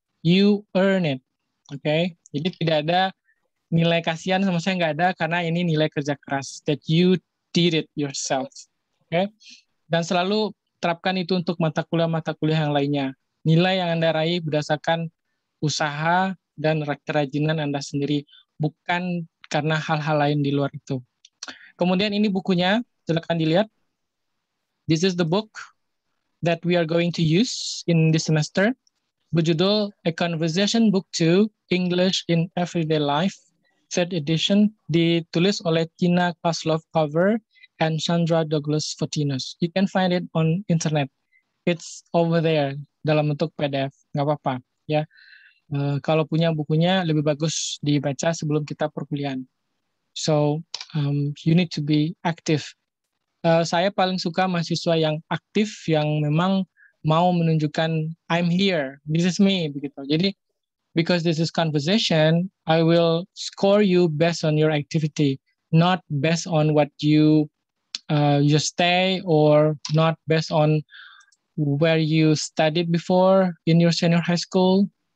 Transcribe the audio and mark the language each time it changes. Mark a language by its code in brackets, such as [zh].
[en] You earn it. [id] Oke, okay, jadi tidak ada nilai kasihan sama saya, nggak ada, karena ini nilai kerja keras [en] that you did it yourself. [id] Oke, okay? Dan selalu terapkan itu untuk mata kuliah yang lainnya. Nilai yang Anda raih berdasarkan usaha dan kerajinan Anda sendiri, bukan karena hal-hal lain di luar itu. Kemudian ini bukunya, silakan dilihat. [en] This is the book that we are going to use in this semester. [id] Berjudul A Conversation Book 2, English in Everyday Life, 3rd edition, ditulis oleh Tina Kozlov Cover and Sandra Douglas Fortinos. [en] You can find it on internet. It's over there, [id] dalam bentuk PDF, nggak apa-apa. Ya. Kalau punya bukunya, lebih bagus dibaca sebelum kita perkuliahan. [en] So, you need to be active. [id] Saya paling suka mahasiswa yang aktif, yang memang mau menunjukkan, [en] I'm here, this is me, [id] begitu. [en] Jadi, because this is conversation, I will score you based on your activity, not based on what you stay, or not based on where you studied before in your senior high school.